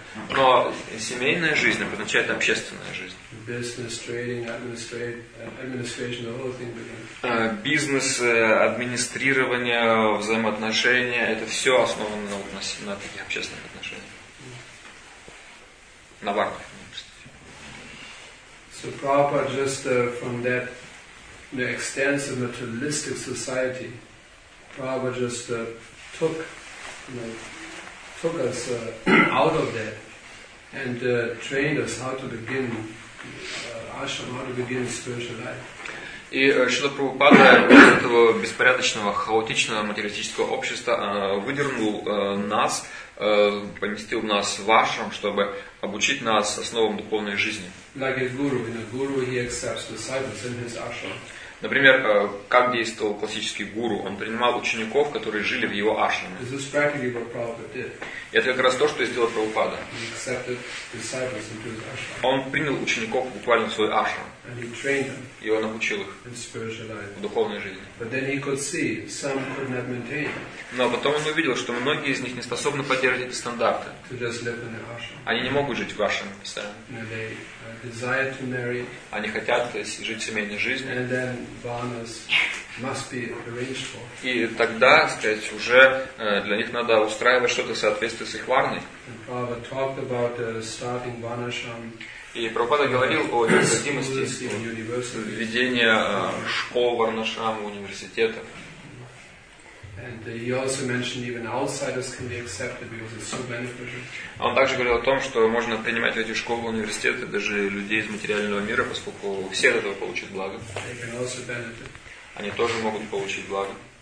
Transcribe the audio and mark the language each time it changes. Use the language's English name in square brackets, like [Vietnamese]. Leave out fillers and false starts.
[Russian] Но семейная жизнь обозначает общественная жизнь. [English] Business, trading, administration, the whole thing begins. [Russian] Бизнес, администрирование, взаимоотношения, это все основано на таких общественных отношениях. На варнах, например. [English] So Prabhupada just from that extensive materialistic society, Prabhupada just took us out of that. And trained us how to begin ashram, how to begin spiritual life. [Russian] И Шрила Прабхупада из этого беспорядочного, хаотичного материалистического общества выдернул нас, поместил нас в ашрам, чтобы обучить нас основам духовной жизни. [English] Like a guru, in a guru he accepts disciples in his ashram. [Russian] Например, как действовал классический гуру? Он принимал учеников, которые жили в его ашраме. [English] This is practically what Prabhupada did. [Russian] И это как раз то, что и сделал Прабхупада. [English] He accepted disciples into his ashram. [Russian] Он принял учеников буквально в свой ашрам. [English] And he trained them. [Russian] И он обучил их [English] in spiritual life. [Russian] В духовной жизни. [English] But then he could see some could not maintain. [Russian] Но потом он увидел, что многие из них не способны поддерживать эти стандарты. [English] To just live in their ashram. [Russian] Они не могут жить в ашраме постоянно. [English] Desire to marry. [Russian] Они хотят, то есть, жить семейной жизнью. [English] And then varnas must be arranged for. [Russian] И тогда, сказать, уже для них надо устраивать что-то в соответствии с их варной. [English] And Prabhupada talked about starting varnashram. [Russian] И Прабхупада говорил о необходимости введения школ варнашрам, университетов. [English] And he also mentioned even outsiders can be accepted because it's so beneficial. [Russian] Он также говорил о том, что можно принимать в эти школы, университеты даже людей из материального мира, поскольку все от этого получат благо. [English] They can also benefit. [Russian] Они тоже могут получить благо.